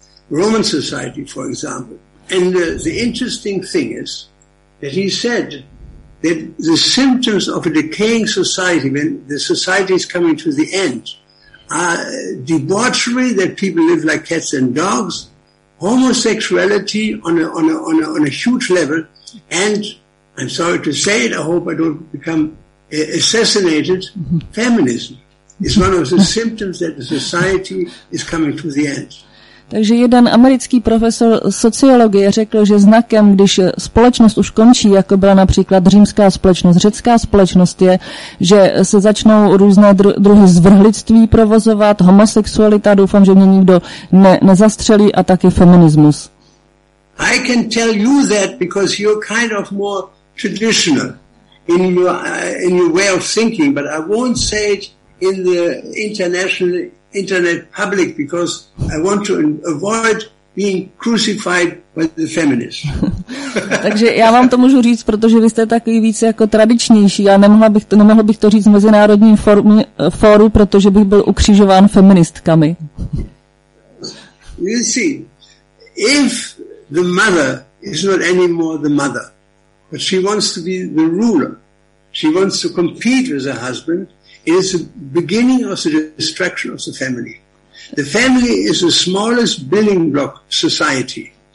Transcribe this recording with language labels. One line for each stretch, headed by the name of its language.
English: Roman society, for example. And the interesting thing is that he said that the symptoms of a decaying society, when the society is coming to the end, are debauchery, that people live like cats and dogs, homosexuality on a huge level, and I'm sorry to say it, I hope I don't become assassinated, feminism. It's one of the symptoms that the society is coming to the end.
Czech: Takže jeden americký profesor sociologie řekl, že znakem, když společnost už končí, jako byla například římská společnost, řecká společnost, je, že se začnou různé druhy zvrhlictví provozovat, homosexualita, doufám, že mě nikdo nezastřelí, a taky feminismus.
English: I can tell you that because you're kind of more traditional in your way of thinking, but I won't say it in the internet public because I want to avoid being crucified by the feminists.
Czech: Takže já vám to můžu říct, protože vy jste takový více jako tradičnější. Já nemohl bych to říct v mezinárodním fóru, protože bych byl ukřižován feministkami.
English: You see, if the mother is not anymore the mother, but she wants to be the ruler, she wants to compete with her husband, it is the beginning of the destruction of the family. The family is the smallest building block society.